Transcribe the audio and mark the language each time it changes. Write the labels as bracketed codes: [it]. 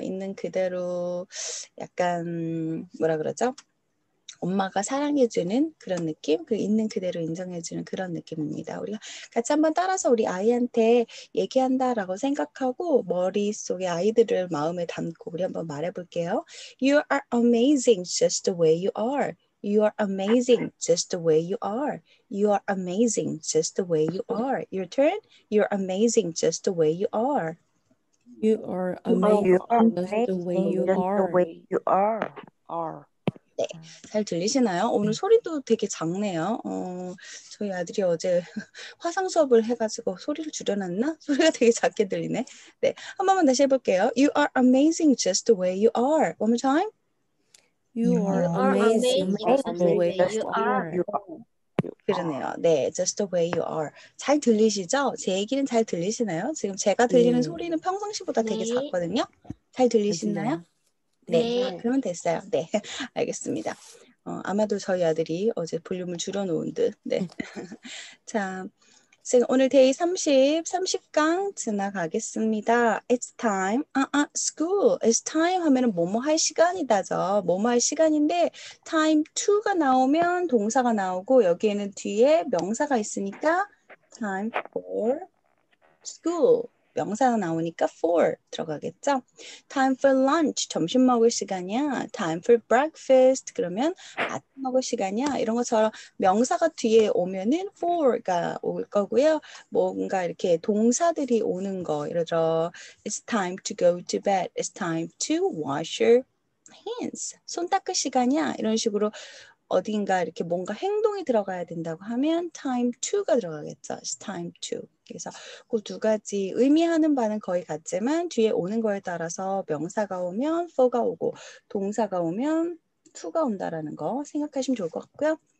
[ko] 있는 그대로 약간 뭐라 그러죠? 엄마가 사랑해주는 그런 느낌, 그 있는 그대로 인정해주는 그런 느낌입니다. 우리가 같이 한번 따라서 우리 아이한테 얘기한다라고 생각하고 머릿속에 아이들을 마음에 담고 우리 한번 말해볼게요. [en] You are amazing just the way you are. You are amazing just the way you are. You are amazing just the way you are. Your turn. You're amazing just the way you are. You are You are amazing just the way amazing you just the way are. you are. Are. [ko] 네, 잘 들리시나요? 오늘 소리도 되게 작네요. 저희 아들이 어제 화상 수업을 해가지고 소리를 줄여놨나? 소리가 되게 작게 들리네. 네, 한 번만 다시 해볼게요. [en] You are amazing just the way you are. One more time. You are amazing just the way you are. [ko] 그러네요. 네, [en] just the way you are. [ko] 잘 들리시죠? 제 얘기는 잘 들리시나요? 지금 제가 들리는 소리는 평상시보다 되게 네. 작거든요. 잘 들리시나요? 들려요. 네, 네. 그러면 됐어요. 네, 알겠습니다. 아마도 저희 아들이 어제 볼륨을 줄여놓은 듯. 네. 자, 지금 오늘 데이 30, 30강 지나가겠습니다. [en] It's time. School. It's time [ko] 하면은 뭐뭐 할 시간이다죠. 뭐뭐 할 시간인데, time to가 나오면 동사가 나오고, 여기에는 뒤에 명사가 있으니까, [en] time for school. [ko] 명사가 나오니까 for 들어가겠죠? [en] Time for lunch, [ko] 점심 먹을 시간이야. [en] Time for breakfast, [ko] 그러면 아침 먹을 시간이야. 이런 것처럼 명사가 뒤에 오면은 for가 올 거고요. 뭔가 이렇게 동사들이 오는 거. 예를 들어, [en] It's time to go to bed. It's time to wash your hands. [ko] 손 닦을 시간이야. 이런 식으로 어딘가 이렇게 뭔가 행동이 들어가야 된다고 하면 time to가 들어가겠죠. [en] It's time to. [ko] 그래서 그두 가지 의미하는 바는 거의 같지만 뒤에 오는 거에 따라서 명사가 오면 for가 오고 동사가 오면 to가 온다라는 거 생각하시면 좋을 것 같고요.